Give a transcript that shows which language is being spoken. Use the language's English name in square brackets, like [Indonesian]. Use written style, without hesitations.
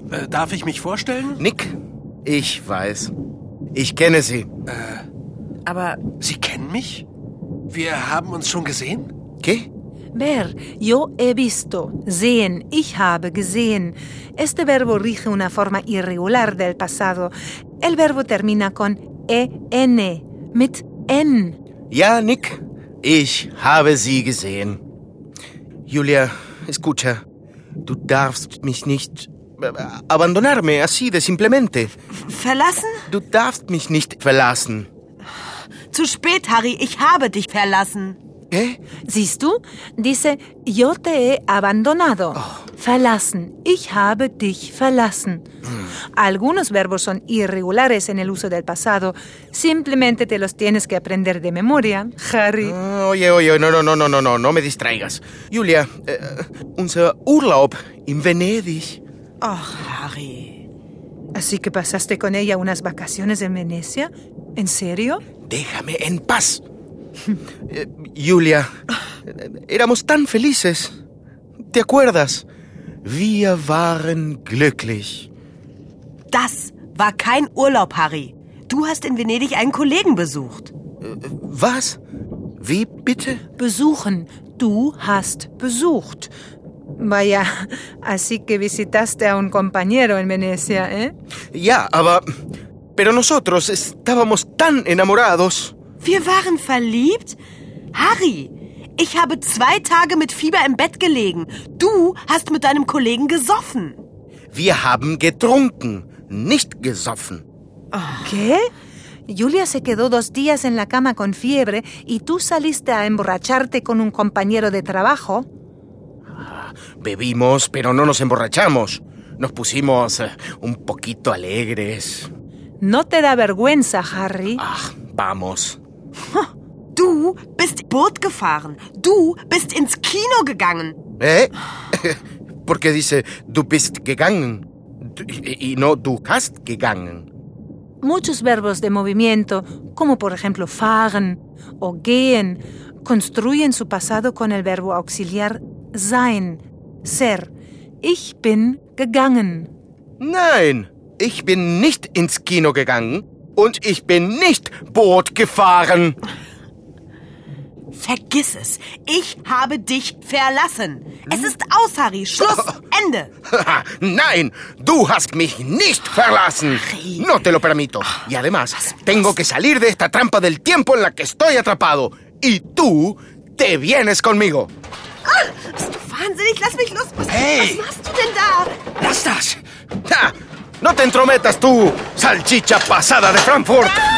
[German] Darf ich mich vorstellen? Nick, ich weiß. Ich kenne sie. Aber... Sie kennen mich? Wir haben uns schon gesehen? [Spanish] ¿Qué? Ver, yo he visto, [German] sehen, ich habe gesehen. [Spanish] Este verbo rige una forma irregular del pasado. El verbo termina con en, [German] mit en. Ja, Nick, ich habe sie gesehen. [Spanish] Julia, escucha, [German] du darfst mich nicht [Spanish] abandonarme, así de simplemente. [German] Verlassen? Du darfst mich nicht verlassen. Zu spät, Harry, ich habe dich verlassen. [Spanish] ¿Qué? [German] Siehst du? [Spanish] Dice, yo te he abandonado. Oh. [German] Verlassen. Ich habe dich verlassen. [Spanish] Algunos verbos son irregulares en el uso del pasado. Simplemente te los tienes que aprender de memoria, Harry. Oye, no me distraigas. [German] Julia, unser Urlaub in Venedig. Oh, Harry. [Spanish] ¿Así que pasaste con ella unas vacaciones en Venecia? ¿En serio? Déjame en paz. Julia, éramos tan felices. ¿Te acuerdas? [German] Wir waren glücklich. Das war kein Urlaub, Harry. Du hast in Venedig einen Kollegen besucht. Was? Wie bitte? Besuchen. Du hast besucht. [Spanish] Vaya, así que visitaste a un compañero en Venecia, ¿eh? [German] Ja, aber... [Spanish] Pero nosotros estábamos tan enamorados. [German] Wir waren verliebt? Harry, ich habe 2 Tage mit Fieber im Bett gelegen. Du hast mit deinem Kollegen gesoffen. Wir haben getrunken, nicht gesoffen. [Spanish] ¿Qué? Julia se quedó 2 días en la cama con fiebre y tú saliste a emborracharte con un compañero de trabajo. Bebimos, pero no nos emborrachamos. Nos pusimos un poquito alegres. No te da vergüenza, Harry. Ach, vamos. [German] Du bist Boot gefahren. Du bist ins Kino gegangen. [Spanish] ¿Por qué dice [German] du bist gegangen? [Spanish] Y no [German] du hast gegangen. [Spanish] Muchos verbos de movimiento, como por ejemplo fahren o gehen, construyen su pasado con el verbo auxiliar sein, ser. [German] Ich bin gegangen. Nein, ich bin nicht ins Kino gegangen und ich bin nicht Boot gefahren. Vergiss es. Ich habe dich verlassen. Es ist aus, Harry. Schluss. Ende. Nein, du hast mich nicht verlassen. Harry. [Spanish] No te lo permito. Y además, tengo que salir de esta trampa del tiempo en la que estoy atrapado. Y tú te vienes conmigo. [German] Bist du wahnsinnig? Lass mich los. Was, hey. Was machst du denn da? Lass das. Ja, [Spanish] no te entrometas tú, salchicha pasada de Frankfurt.